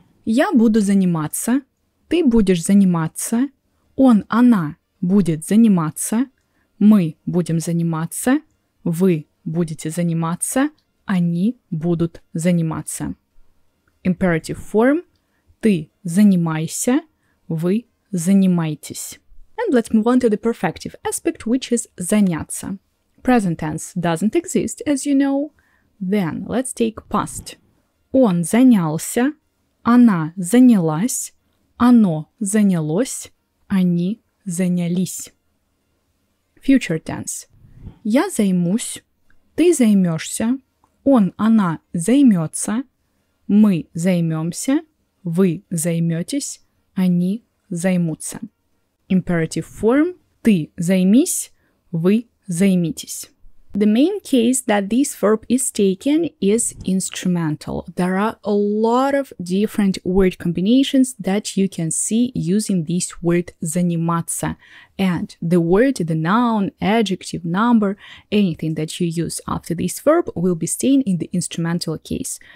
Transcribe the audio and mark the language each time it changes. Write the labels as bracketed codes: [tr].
[ru] Я буду заниматься, ты будешь заниматься, он, она будет заниматься, мы будем заниматься, вы будете заниматься, они будут заниматься. [en] Imperative form. [ru] Ты занимайся, вы занимайтесь. [en] And let's move on to the perfective aspect, which is заняться. Present tense doesn't exist, as you know. Then let's take past. [ru] Он занялся, она занялась, оно занялось, они занялись. [en] Future tense. [ru] Я займусь, ты займешься, он, она займется, мы займемся, вы займетесь, они займутся. [en] Imperative form. [ru] Ты займись, вы займитесь. [en] The main case that this verb is taken is instrumental. There are a lot of different word combinations that you can see using this word заниматься. And the word, the noun, adjective, number, anything that you use after this verb will be staying in the instrumental case.